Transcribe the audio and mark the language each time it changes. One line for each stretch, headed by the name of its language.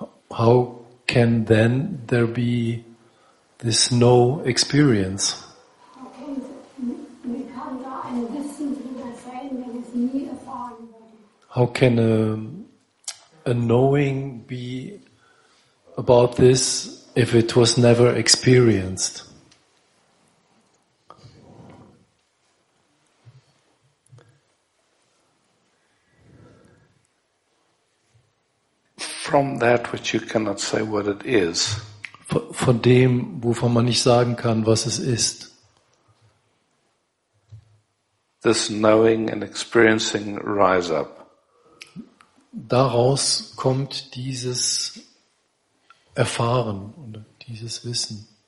English: How can then there be this no experience?
German: Wie kann da ein Wissen drüber sein, wenn es nie erfahren wird?
English: How can a knowing be about this if it was never experienced? From that which you cannot say what it is.
German: Von dem, wovon man nicht sagen kann, was es ist.
English: This knowing and experiencing rise up.
German: Daraus kommt dieses Erfahren und dieses Wissen.